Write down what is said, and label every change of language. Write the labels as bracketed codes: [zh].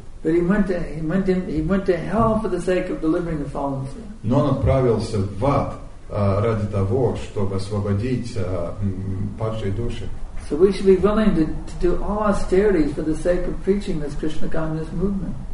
[en] But he went to hell for the sake of delivering the fallen soul. [ru] Но он отправился в ад ради того, чтобы освободить падшие души. [en] So we should be willing to do all austerities for the sake of preaching this Krishna consciousness movement.